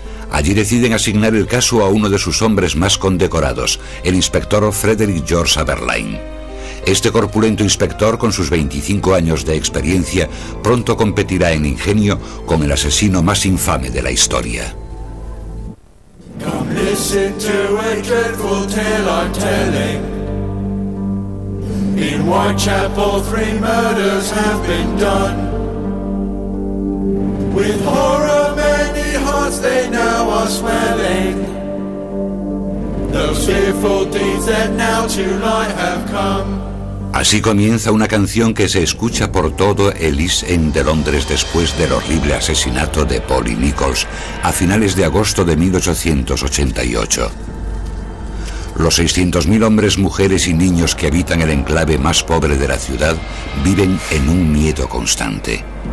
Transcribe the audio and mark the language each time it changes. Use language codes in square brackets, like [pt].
[es] Allí deciden asignar el caso a uno de sus hombres más condecorados, el inspector Frederick George Aberline. Este corpulento inspector, con sus 25 años de experiencia, pronto competirá en ingenio con el asesino más infame de la historia. [en] Come listen to a dreadful tale I'm telling. In Whitechapel, three murders have been done. With horror, many hearts they now are swelling. Those fearful deeds that now to light have come. [es] Así comienza una canción que se escucha por todo el East End de Londres después del horrible asesinato de Polly Nichols a finales de agosto de 1888. Los 600.000 hombres, mujeres y niños que habitan el enclave más pobre de la ciudad viven en un miedo constante.